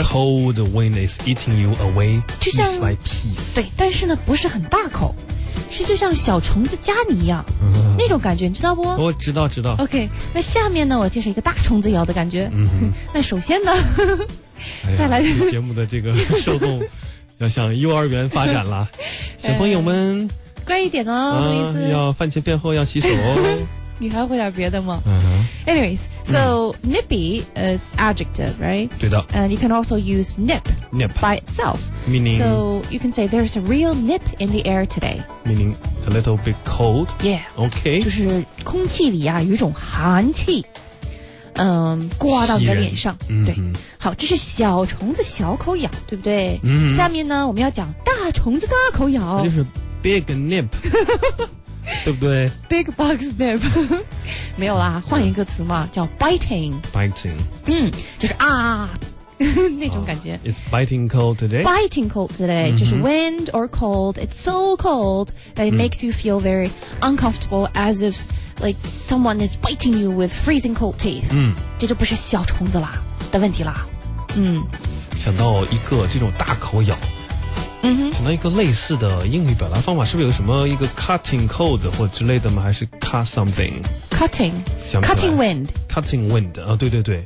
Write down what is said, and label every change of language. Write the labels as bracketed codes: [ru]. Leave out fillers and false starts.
[en] The cold wind is eating you away piece by piece. [zh] 对，但是呢不是很大口，是就像小虫子夹你一样、那种感觉，你知道不？我知道知道。 OK, 那下面呢我介绍一个大虫子咬的感觉、那首先呢、再来、节目的这个受众要向幼儿园发展了。小朋友们乖一点哦、要饭前便后要洗手哦。你还会点别的吗、 [en] Anyways, so nippy is adjective, right? [zh] 对的。 [en] And you can also use nip by itself. Meaning? So you can say there's a real nip in the air today. Meaning a little bit cold? Yeah. Okay. [zh] 就是空气里啊有一种寒气刮到你的脸上。对。好，这是小虫子小口咬，对不对？下面呢我们要讲大虫子大口咬。就是 big nip. 对不对？ [en] Big bug snap， [zh] 没有啦，换一个词嘛，叫 biting。 [en] biting， [zh] 就是啊，那种感觉。 [en] It's biting cold today. Biting cold today，、 [zh] 就是 [en] wind or cold. It's so cold that it makes you feel very uncomfortable, as if like someone is biting you with freezing cold teeth. [zh] 这就不是小虫子啦的问题啦。想到一个这种大口咬。想到一个类似的英语表达方法，是不是有什么一个 cutting cold 或之类的吗？ [en] 还是 cut something cutting wind cutting wind 啊，对对对，